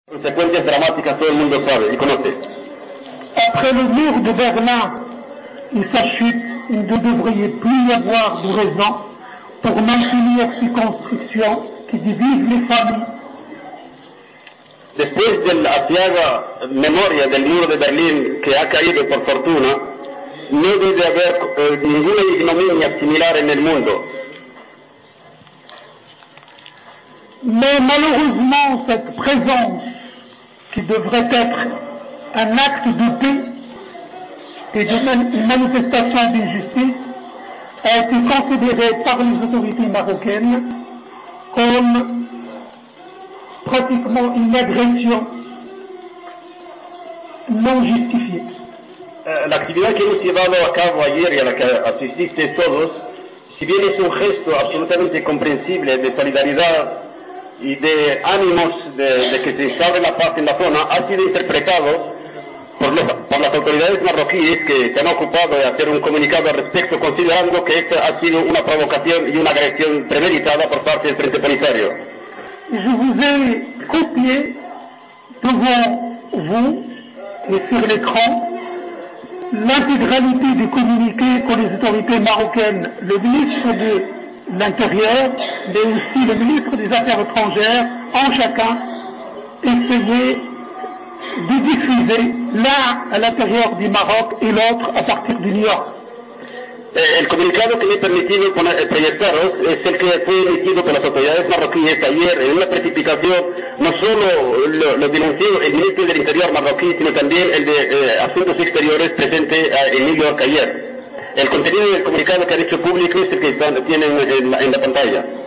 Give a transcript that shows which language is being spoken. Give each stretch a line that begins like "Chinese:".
Spanish: Consecuencias dramáticas todo el mundo sabe y conoce.
French: Après le mur de Berlin et sa chute, il ne devrait plus y avoir de raison pour maintenir ces constructions qui divisent les familles.
Spanish: Después de la atiada memoria del muro de Berlín que ha caído por fortuna, no debe haber ninguna ignominia similar en el mundo.
French: Mais malheureusement, cette présence qui devrait être un acte de paix et de manifestation d'injustice a été considérée par les autorités marocaines comme pratiquement une agression non justifiée.
Spanish: L'actividad que hemos llevado a cabo ayer y a la que asististe todos, si bien es un gesto absolutamente comprensible de solidaridad y de ánimos de que se instale la paz en la zona, ha sido interpretado por las autoridades marroquíes que se han ocupado de hacer un comunicado al respecto, considerando que esta ha sido una provocación y una agresión premeditada por parte del Frente Polisario.
French: Je vous ai copié devant vous et sur l'écran l'intégralité du communiqué que les autorités marocaines, le ministre de l'Intérieur, mais aussi le ministre des Affaires étrangères, ont chacun essayé de diffuser l'un à l'intérieur du Maroc et l'autre à partir du New York.
Spanish: El comunicado que me he permitido proyectaros es el que fue emitido por las autoridades marroquíes ayer en una precipitación. No solo lo denunció el ministro del Interior marroquí, sino también el de Asuntos Exteriores presente en New York ayer. El contenido del comunicado que ha hecho público es el que tienen en la pantalla.